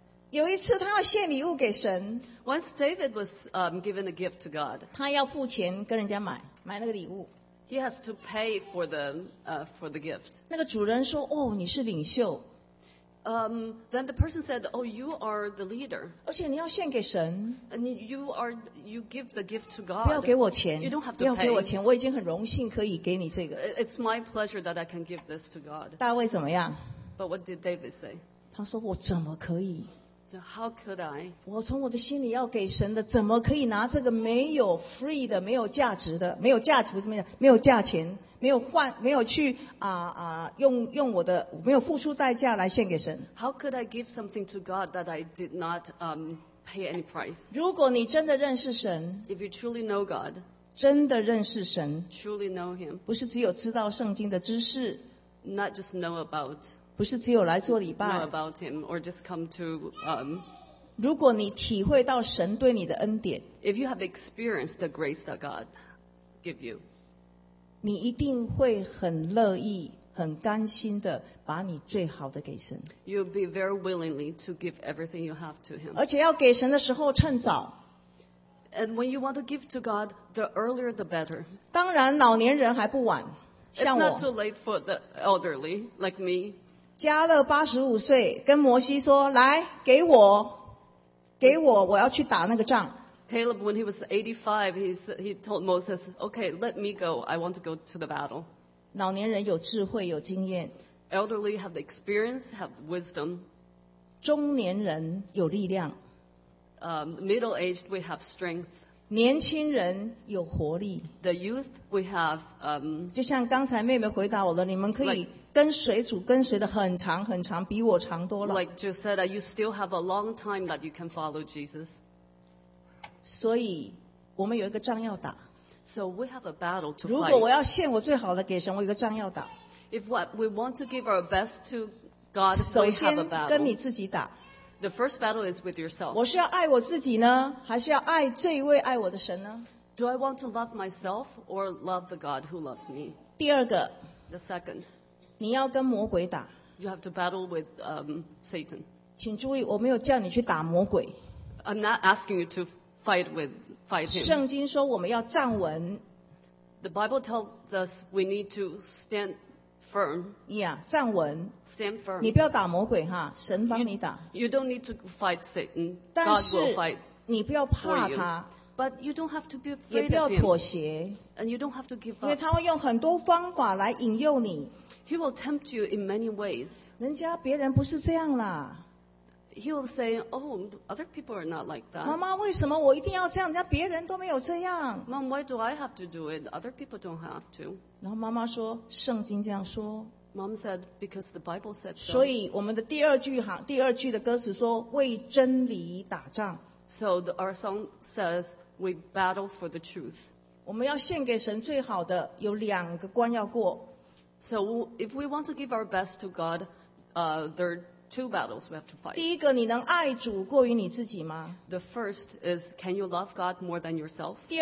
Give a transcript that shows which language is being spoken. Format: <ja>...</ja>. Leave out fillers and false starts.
<zh>有一次他要献礼物给神。</zh> <en>Once David was given a gift to God.</en> <zh>他要付钱跟人家买那个礼物。</zh> <en>He has to pay for the gift.</en> <zh>那个主人说哦你是领袖。</zh> <en>Then the person said, oh, you are the leader.</en> <zh>而且你要献给神。</zh> <en>And you give the gift to God.</en> <zh>不要给我钱。</zh> <en>You don't have to</en> <zh>不要给我钱，我已经很荣幸可以给你这个。</zh> <en>It's my pleasure that I can give this to God.</en> <zh>大卫怎么样？</zh> <en>But what did David say?</en> <zh>他说我怎么可以？</zh> <en>So how could I?</en> <zh>我从我的心里要给神的，怎么可以拿这个没有 free 的、没有价值的、没有价值怎么样？没有价钱、没有换、没有去用我的没有付出代价来献给神</zh> <en>？How could I give something to God that I did not pay any price?</en> <zh>如果你真的认识神</zh> <en>，If you truly know God，</en> <zh>真的认识神</zh> <en>，Truly know Him，</en> <zh>不是只有知道圣经的知识</zh> <en>，Not just know about。</en> <zh>不是只有来做礼拜。</zh> <en>Know about him or just come to,</en> <zh>如果你体会到神对你的恩典</zh> <en>，If you have experienced the grace that God give you，</en> <zh>你一定会很乐意、很甘心的把你最好的给神。</zh> <en>You'll be very willingly to give everything you have to him。</en> <zh>而且要给神的时候趁早。</zh> <en>And when you want to give to God, the earlier the better。</en> <zh>当然，老年人还不晚。像我。</zh> <en>It's not too late for the elderly like me。</en> <zh>加勒85岁跟摩西说来给我给我我要去打那个仗</zh> <en>Caleb when he was 85 he told Moses okay let me go I want to go to the battle</en> <zh>老年人有智慧有经验</zh> <en>elderly have the experience have wisdom</en> <zh>中年人有力量</zh> <en>middle aged we have strength</en> <zh>年轻人有活力</zh> <en>the youth we have</en> <zh>就像刚才妹妹回答我的你们可以、</zh> <en>like,</en> <zh>跟随主跟随的很长很长，比我长多了。</zh> <en>Like you said, you still have a long time that you can follow Jesus.</en> <zh>所以，我们有一个仗要打。</zh> <en>So we have a battle to fight.</en> <zh>如果我要献我最好的给神，我有个仗要打。</zh> <en>If what we want to give our best to God, we have a battle.</en> <zh>首先跟你自己打。</zh> <en>The first battle is with yourself.</en> <zh>我是要爱我自己呢，还是要爱这一位爱我的神呢？</zh> <en>Do I want to love myself or love the God who loves me?</en> <zh>第二个。</zh> <en>The second.</en> <zh>你要跟魔鬼打。</zh> <en>You have to battle with Satan.</en> <zh>请注意，我没有叫你去打魔鬼。</zh> <en>I'm not asking you to fight with him.</en> <zh>圣经说我们要站稳。</zh> <en>The Bible tells us we need to stand firm.</en> <zh>Yeah, 站稳。</zh> <en>Stand firm.</en> <zh>你不要打魔鬼哈，神帮你打。</zh> <en>You don't need to fight Satan. God will fight for you.</en> <zh>但是你不要怕他。</zh> <en>But you don't have to be afraid of him.</en> <zh>也不要妥协。</zh> <en>And you don't have to give up.</en> <zh>因为他会用很多方法来引诱你。</zh> <en>He will tempt you in many ways.</en> <zh>人家别人不是这样啦。</zh> <en>He will say, oh, other people are not like that.</en> <zh>妈妈，为什么我一定要这样？人家别人都没有这样。</zh> <en>Mom, why do I have to do it? Other people don't have to.</en> <zh>然后妈妈说，圣经这样说。</zh> <en>Mom said, because the Bible said so.</en> <zh>所以我们的第二句的歌词说，为真理打仗。</zh> <en>So our song says, we battle for the truth.</en> <zh>我们要献给神最好的，有两个关要过。</zh> <en>So if we want to give our best to God, there are two battles we have to fight.</en> <zh>第一个，你能爱主过于你自己吗？</zh> <en>The first is, can you love God more than yourself?</en>